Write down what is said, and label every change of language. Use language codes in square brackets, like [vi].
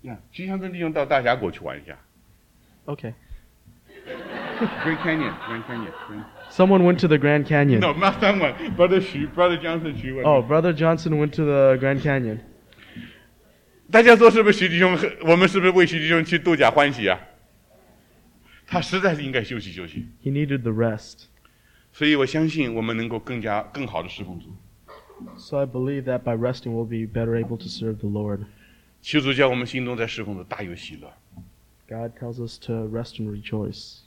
[zh] 徐祥生弟兄到大峡谷去玩一下。 [en] Okay. Grand Canyon, Grand Canyon. Grand... Someone went to the Grand Canyon. No, not someone. Brother Xu, Brother Johnson, Xu went. Oh, Brother Johnson went to the Grand Canyon. [zh] 大家说是不是徐弟兄？我们是不是为徐弟兄去度假欢喜啊？他实在是应该休息休息。 [en] He needed the rest. [zh] 所以我相信我们能够更好的侍奉主。 [en] So I believe that by resting, we'll be better able to serve the Lord. [zh] 求主叫我们心中在侍奉的大有喜乐。 [en] God tells us to rest and rejoice.